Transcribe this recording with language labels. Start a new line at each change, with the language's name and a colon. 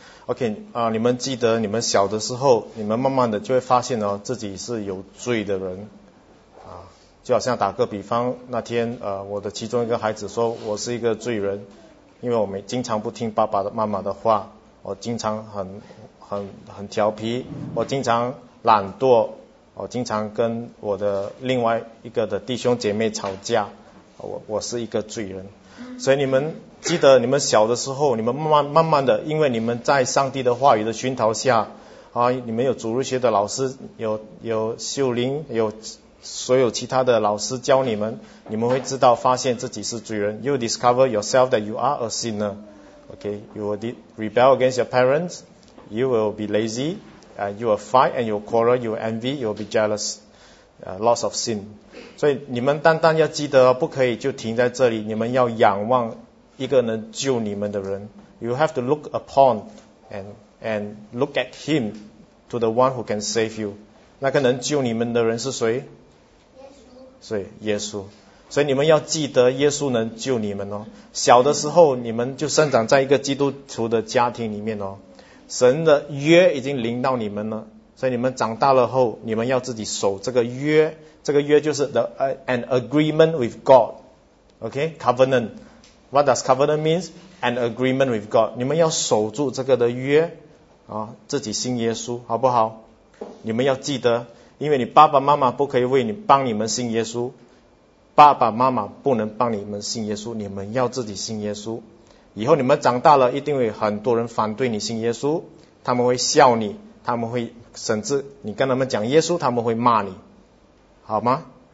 Chinese: OK, 你们记得你们小的时候，你们慢慢的就会发现自己是有罪的人就好像打个比方，那天我的其中一个孩子说我是一个罪人，因为我们经常不听爸爸妈妈的话，我经常很调皮，我经常懒惰，我经常跟我的另外一个的弟兄姐妹吵架，我是一个罪人。所以你们记得你们小的时候，你们慢慢的，因为你们在上帝的话语的熏陶下你们有主日学的老师，有秀灵，有所有其他的老师教你们，你们会知道发现自己是罪人。
English: You discover yourself that you are a sinner. Okay, you will rebel against your parents. You will be lazy. You will fight and you will quarrel. You will envy. You will be jealous. Lots of sin.
Chinese: 所以你们单单要记得，不可以就停在这里。你们要仰望一个能救你们的人。
English: You have to look upon and look at him to the one who can save you.
Chinese: 那个能救你们的人是谁？所以耶稣，所以你们要记得耶稣能救你们哦。小的时候你们就生长在一个基督徒的家庭里面哦，神的约已经临到你们了，所以你们长大了后，你们要自己守这个约。这个约就是
English: an agreement with God, OK, covenant. What does covenant means? An agreement with God.
Chinese: 你们要守住这个的约自己信耶稣好不好？你们要记得，因为你爸爸妈妈不可以为你帮你们信耶稣，爸爸妈妈不能帮你们信耶稣，你们要自己信耶稣。以后你们长大了，一定会很多人反对你信耶稣，他们会笑你，他们会甚至你跟他们讲耶稣，他们会骂你，好吗？